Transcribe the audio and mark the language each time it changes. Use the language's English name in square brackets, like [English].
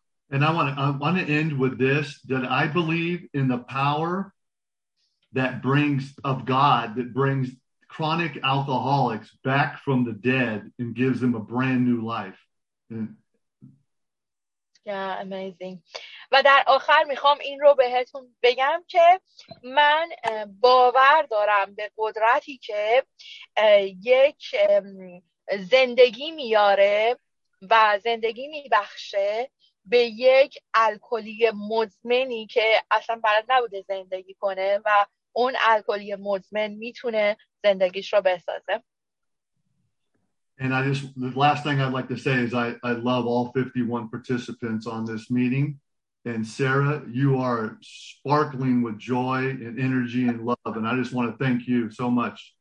[English] And I want to end with this, that I believe in the power that brings of God, that brings chronic alcoholics back from the dead and gives them a brand new life. Yeah, amazing. [Persian] و در آخر میخوام این رو بهتون بگم که من باور دارم به قدرتی که یک زندگی میاره و زندگی میبخشه به یک الکلی مدمنی که اصلا بلد نبوده زندگی کنه و اون الکلی مدمن میتونه زندگیش رو بسازه. [English] And I just, the last thing I'd like to say is I love all 51 participants on this meeting. And Sarah, you are sparkling with joy and energy and love. And I just want to thank you so much.